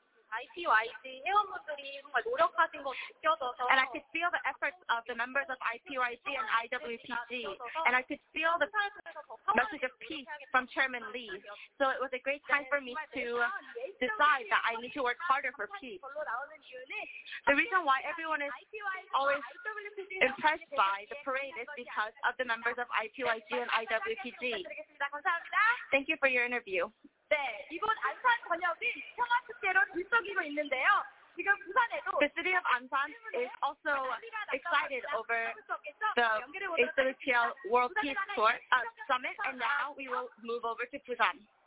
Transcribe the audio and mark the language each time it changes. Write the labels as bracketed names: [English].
[English] And I could feel the efforts of the members of IPYC and IWPG, and I could feel the message of peace from Chairman Lee. So it was a great time for me to decide that I need to work harder for peace. The reason why everyone is always impressed by the parade is because of the members of IPYC and IWPG. Thank you for your interview. [Korean] 네, 이번 안산 번역은 평화축제로 들썩이고 있는데요. [English] The city of Ansan is also excited over the HWPL World Peace Tour Summit, and now we will move over to Busan.